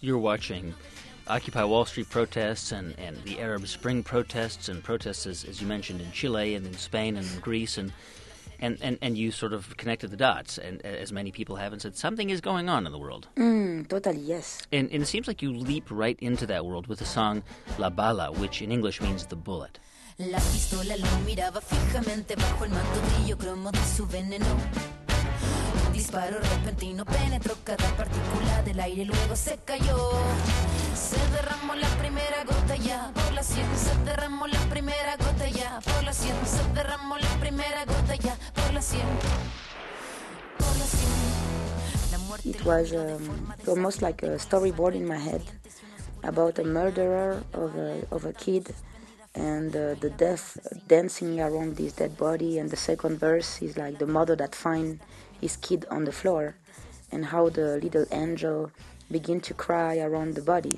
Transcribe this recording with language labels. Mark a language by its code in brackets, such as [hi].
[en] You're watching Occupy Wall Street protests and the Arab Spring protests and protests, as you mentioned, in Chile and in Spain and in Greece. And you sort of connected the dots, and as many people have, and said something is going on in the world. Totally, yes. And it seems like you leap right into that world with the song La Bala, which in English means the bullet. [es] La pistola lo miraba fijamente bajo el mantotillo cromo de su veneno. Disparo repentino penetró cada partícula del aire, luego se cayó. Se derramó la primera gota ya por la sien. Se derramó la primera gota ya por la sien. Se derramó la primera gota ya por la sien. Por la sien. La muerte. [en] It was almost like a storyboard in my head about a murderer of a kid. And the death dancing around this dead body. And the second verse is like the mother that finds his kid on the floor and how the little angel begin to cry around the body.